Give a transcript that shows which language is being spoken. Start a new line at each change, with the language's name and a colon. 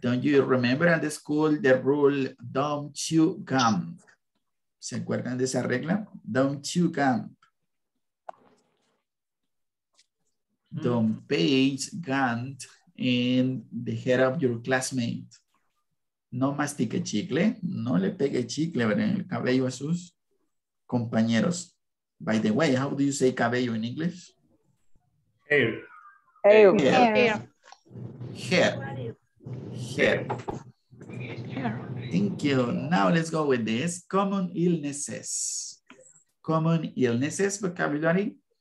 English: Don't you remember at the school the rule, don't chew gum?
Spanish: ¿Se acuerdan de esa regla?
English: Don't chew gum. Don't page gum in the head of your classmate.
Spanish: No mastique chicle, no le pegue chicle en el cabello a sus compañeros.
English: By the way, how do you say cabello in English? Hair. Hair. Hair. Hair. Hair. Hair. Thank you. Now let's go with this. Common illnesses. Common illnesses vocabulary.